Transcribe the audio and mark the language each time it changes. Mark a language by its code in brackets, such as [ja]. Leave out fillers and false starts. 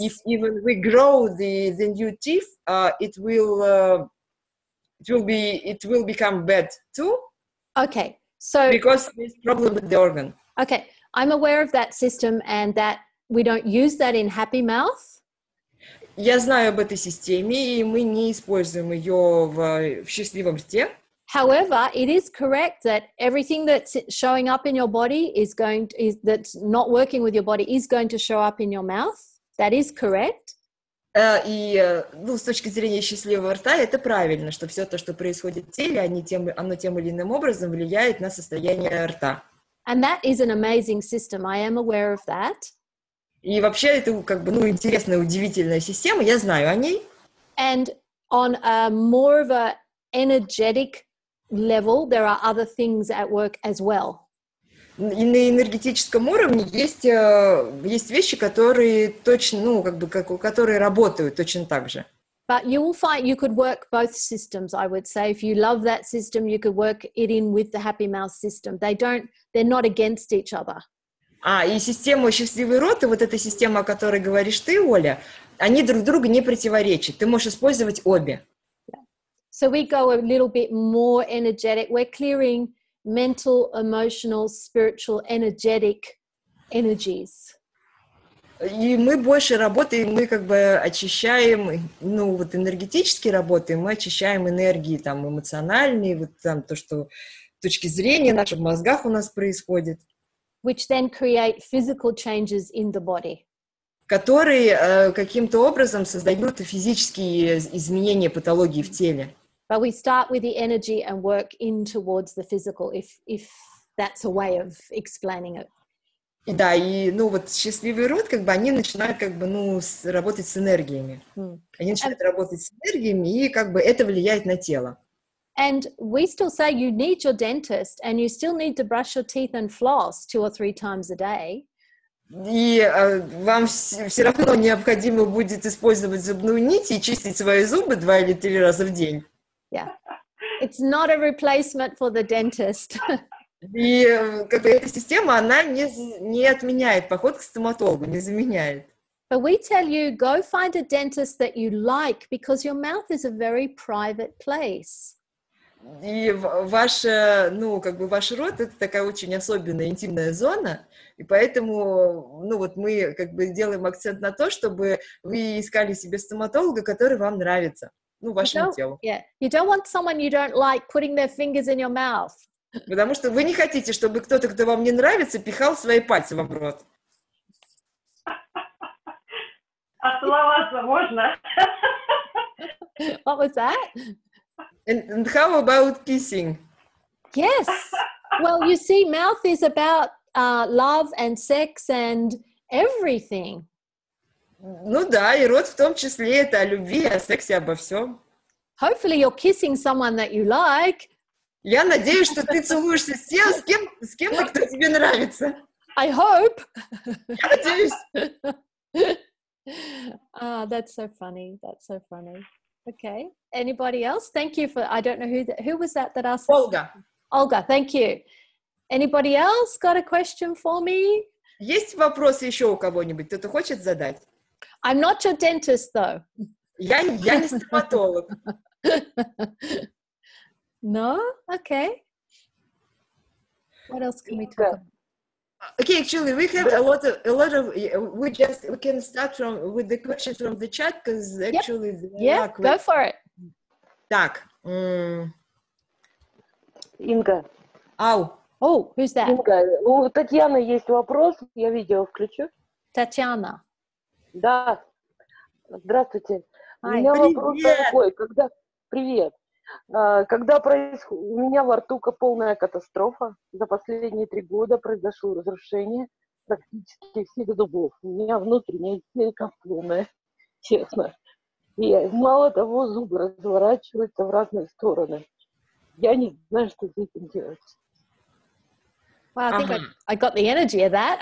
[en] If even we grow the new teeth, it will become bad too. Okay, so because there's problem with the organ. Okay, I'm aware of that system and that we don't use that in Happy Mouth. [ru] Я знаю об этой системе, и мы не используем ее в счастливом рте. [en] However, it is correct that everything that's showing up in your body is going to, is that's not working with your body is going to show up in your mouth. That is correct. [ru] С точки зрения счастливого рта, это правильно, что все то, что происходит в теле, оно тем или иным образом влияет на состояние рта. [en] And that is an amazing system. I am aware of that. [ru] И вообще это как бы интересная, удивительная система. Я знаю о ней. [en] And on a more of a energetic level, there are other things at work as well. [ru] И на энергетическом уровне есть вещи, которые точно, которые работают точно так же. [en] But you will find you could work both systems, I would say. If you love that system, you could work it in with the Happy Mouth system. They're not against each other. [ru] И система «Счастливый рот», и вот эта система, о которой говоришь ты, Оля, они друг другу не противоречат. Ты можешь использовать обе. [en] So we go a little bit more energetic. We're clearing mental, emotional, spiritual, energetic energies. [ru] И мы больше работаем, мы как бы очищаем, энергетически работаем, мы очищаем энергии там эмоциональные, то, что с точки зрения наших мозгах у нас происходит. [en] Which then create physical changes in the body. [ru] Которые каким-то образом создают физические изменения, патологии в теле. [en] But we start with the energy and work in towards the physical, if that's a way of explaining it. [ru] Да, и счастливый рот, они начинают работать с энергиями. Они начинают работать с энергиями, и это влияет на тело. [en] And we still say you need your dentist and you still need to brush your teeth and floss 2 or 3 times a day. [ru] И вам все равно необходимо будет использовать зубную нить и чистить свои зубы 2 или 3 раза в день. [en] Yeah. It's not a replacement for the dentist. [ru] И эта система, она не отменяет поход к стоматологу, не заменяет. [en] But we tell you, go find a dentist that you like, because your mouth is a very private place. [ru] И ваша, ваш рот — это такая очень особенная, интимная зона, и поэтому, мы делаем акцент на то, чтобы вы искали себе стоматолога, который вам нравится. [en] You don't want someone you don't like putting their fingers in your mouth. [ru] Потому что вы не хотите, чтобы кто-то, кто вам не нравится, пихал свои пальцы вам в рот. А целоваться можно? [en] What was that? And how about kissing? Yes. Well, you see, mouth is about love and sex and everything. [ru] И рот в том числе, это о любви, о сексе, обо всем. [en] Hopefully you're kissing someone that you like. [ru] Я надеюсь, что ты целуешься с кем-то, кто тебе нравится. [en] I hope. [ru] Я надеюсь. [en] That's so funny, that's so funny. Okay, anybody else? Thank you for, I don't know who was that that asked? Olga. Olga, thank you. Anybody else got a question for me? [ru] Есть вопросы еще у кого-нибудь, кто-то хочет задать? [en] I'm not your dentist, though. [ru] Я не стоматолог. [en] No? Okay. What else can we talk about? Okay, actually, we have we can start from with the questions from the chat, because actually... Yep. Yeah, go for it. [ru] Так. Инга. Ау. [en] О, who's that? [ru] Инга, у Татьяны есть вопрос, я видео включу. Татьяна. Да. Здравствуйте. Hi. У меня вопрос такой. Привет. Когда происходит... У меня во рту полная катастрофа. За последние 3 года произошло разрушение практически всех зубов. У меня внутренняя стенка полная, честно. И мало того, зубы разворачиваются в разные стороны. Я не знаю, что с этим делать. [en] Wow, I think I got the energy of that.